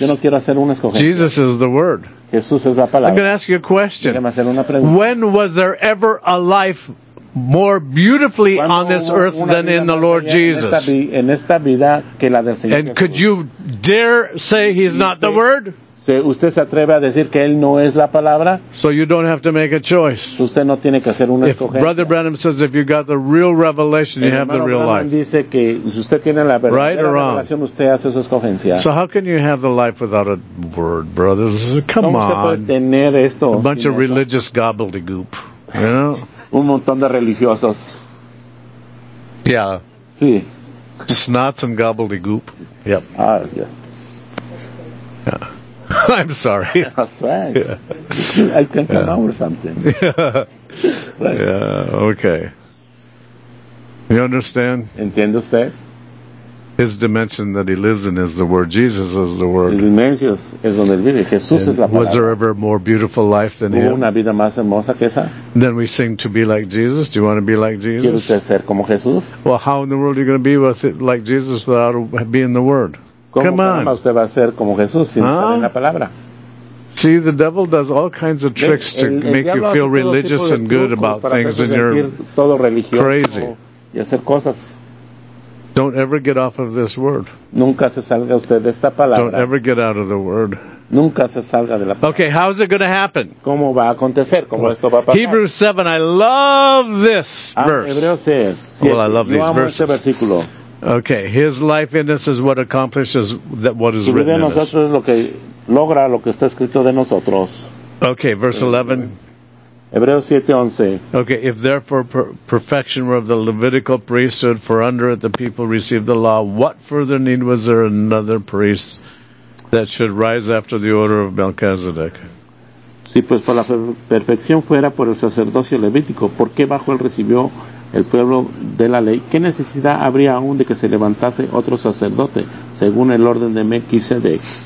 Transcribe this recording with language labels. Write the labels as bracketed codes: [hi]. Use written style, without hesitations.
[es] Yo no quiero hacer una escogencia. [en] Jesus is the word. [es] Jesús es la palabra. [en] I'm going to ask you a question. [es] Quiero hacer una pregunta. [en] When was there ever a life more beautifully [es] Cuando [en] on this earth than in the Lord Jesus? [es] En esta vida que la del Señor [en] And Jesús. Could you dare say he's not the word? [es] Usted se atreve a decir que él no es la palabra. [en] So you don't have to make a choice. [es] Usted no tiene que hacer una escogencia. [en] Brother Branham says if you got the real revelation, you have the real life. [es] Dice que si usted tiene la verdadera revelación, usted hace su escogencia. [en] So how can you have the life without a word, brothers? Come on. [es] ¿Cómo se puede tener esto? [en] A bunch of religious gobbledygook, you know? [es] Un montón de religiosos. [en] Yeah. [es] Sí. [en] Snots and gobbledygook. Yep. Ah, yeah. I'm sorry. That's right. Yeah. I can come out with something. Yeah. Right. Yeah, okay. You understand? [es] ¿Entiende usted? [en] His dimension that he lives in is the Word. Jesus is the Word. His dimension is [es] donde vive. Jesús es la palabra. [en] Was there ever a more beautiful life than him? [es] ¿Hubo una vida más hermosa que esa? [en] Then we sing to be like Jesus. Do you want to be like Jesus? [es] ¿Quiere usted ser como Jesús? [en] Well, how in the world are you going to be with it, like Jesus without being the Word? [es] ¿Cómo usted va a ser como Jesús sin estar en la palabra? [en] See, the devil does all kinds of tricks to make you feel religious and good about things and you're [es] todo religioso [en] crazy. [es] Y hacer cosas. [en] Don't ever get off of this word. [es] Nunca se salga usted de esta palabra. [en] Don't ever get out of the word. [es] Nunca se salga de la palabra. [en] Okay, how is it going to happen? [es] ¿Cómo va a acontecer? ¿Cómo esto va a pasar? [en] Hebrews 7, I love this verse. [es] Hebreos 7. [en] Well, I love these verses. [es] Este versículo. [en] Okay, his life in us is what accomplishes that what is written in us. [es] Nosotros lo que logra lo que está escrito de nosotros. [en] Okay, verse 11. [es] Hebreos 7:11. [en] Okay, if therefore perfection were of the Levitical priesthood, for under it the people received the law, what further need was there another priest that should rise after the order of Melchizedek? [es] Sí, pues por la perfección fuera por el sacerdocio levítico, ¿por qué bajo él recibió el pueblo de la ley, ¿qué necesidad habría aún de que se levantase otro sacerdote según el orden de Melquisedec?